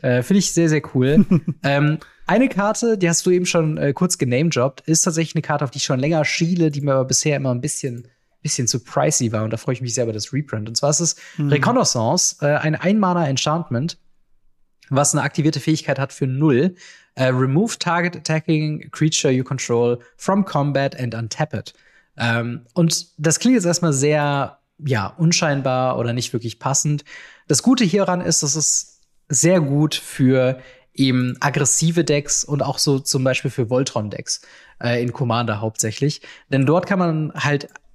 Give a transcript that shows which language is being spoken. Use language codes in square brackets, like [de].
[de] Finde ich sehr, sehr cool. eine Karte, die hast du eben schon kurz genamedroppt, ist tatsächlich eine Karte, auf die ich schon länger schiele, die mir aber bisher immer ein bisschen zu pricey war. Und da freue ich mich sehr über das Reprint. Und zwar ist es Reconnaissance, ein 1-Mana-Enchantment, was eine aktivierte Fähigkeit hat für 0. [en] Remove target attacking creature you control from combat and untap it. [de] Und das klingt jetzt erstmal sehr, ja, unscheinbar oder nicht wirklich passend. Das Gute hieran ist, dass es sehr gut für eben aggressive Decks und auch so zum Beispiel für Voltron-Decks in Commander hauptsächlich. Denn dort kann man halt